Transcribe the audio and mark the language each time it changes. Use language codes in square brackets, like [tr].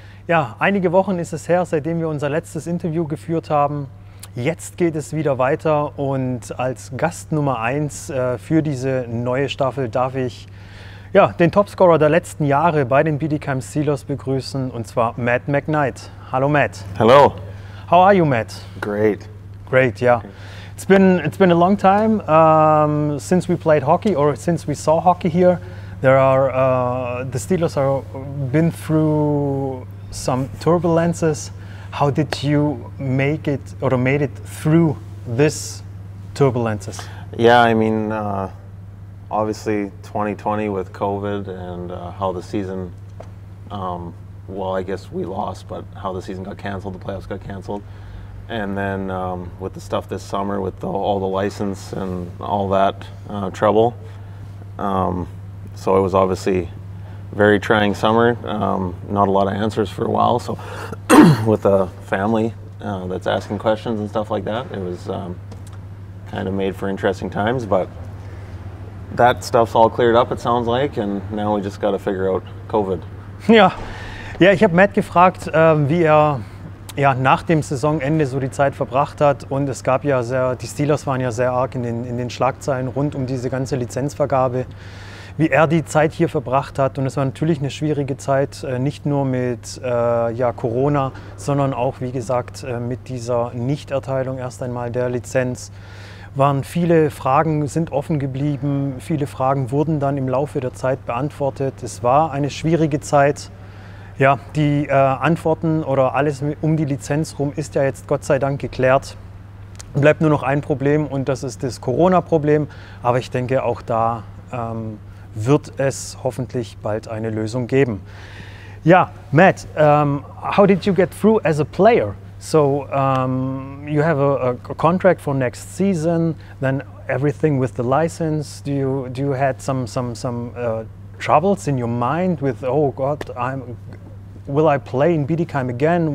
[de] Ja, einige Wochen ist es her, seitdem wir unser letztes Interview geführt haben. Jetzt geht es wieder weiter und als Gast Nummer 1 für diese neue Staffel darf ich ja, den Topscorer der letzten Jahre bei den Bietigheim Steelers begrüßen, und zwar Matt McKnight. Hallo Matt. [en] Hello. How are you, Matt? Great. Great, yeah. It's been a long time since we played hockey, or since we saw hockey here. There are the Steelers have been through some turbulences. How did you made it through this turbulences? Yeah, I mean, obviously 2020 with COVID and how the season, well, I guess we lost, but how the season got canceled, the playoffs got canceled. And then with the stuff this summer with all the license and all that trouble. So it was obviously very trying summer, not a lot of answers for a while. So with a family that's asking questions and stuff like that, it was kind of made for interesting times, but that stuff's all cleared up, it sounds like, and now we just got to figure out COVID. [de] Ja, ja, ich habe Matt gefragt, wie er ja nach dem Saisonende so die Zeit verbracht hat, und es gab ja sehr, die Steelers waren ja sehr arg in den Schlagzeilen rund um diese ganze Lizenzvergabe, wie er die Zeit hier verbracht hat. Und es war natürlich eine schwierige Zeit, nicht nur mit ja, Corona, sondern auch, wie gesagt, mit dieser Nichterteilung erst einmal der Lizenz. Waren viele Fragen, sind offen geblieben, viele Fragen wurden dann im Laufe der Zeit beantwortet. Es war eine schwierige Zeit. Ja, die Antworten oder alles um die Lizenz rum ist ja jetzt Gott sei Dank geklärt. Bleibt nur noch ein Problem, und das ist das Corona-Problem. Aber ich denke, auch da wird es hoffentlich bald eine Lösung geben. [en] Ja, Matt, how did you get through as a player? So you have a contract for next season, then everything with the license. Do you had some troubles in your mind with, oh God, will I play in Bietigheim again?